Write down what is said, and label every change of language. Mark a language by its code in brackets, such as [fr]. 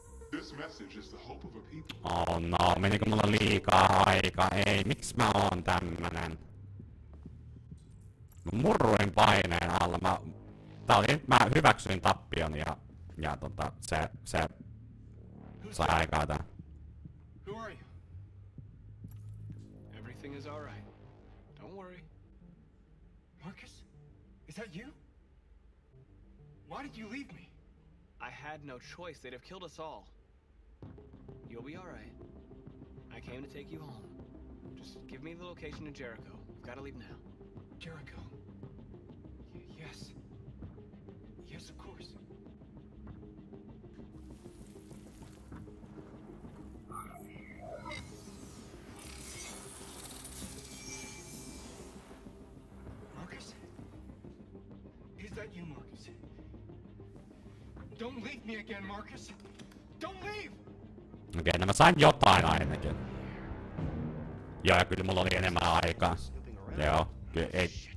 [en] This message is the hope of a people. [fi] Oh no, menikö mulla liikaa aikaa? Ei, miksi mä oon tämmönen? Mä murruin paineen alla. Mä hyväksyin tappion ja se sai aikaa tää. [en] Who are you? Everything is all right. Don't worry. Marcus? Is that you? Why did you leave me? I had no choice. They'd have killed us all. You'll be all right. I came to take you home. Just give me the location of Jericho. You've got to leave now. Jericho? Yes. Yes, of course. Marcus? Is that you, Marcus? Don't leave me again, Marcus! Don't leave! [fi] Okei, no mä sain jotain ainakin. Joo, ja kyllä mulla oli enemmän aikaa. Joo, kyllä ei.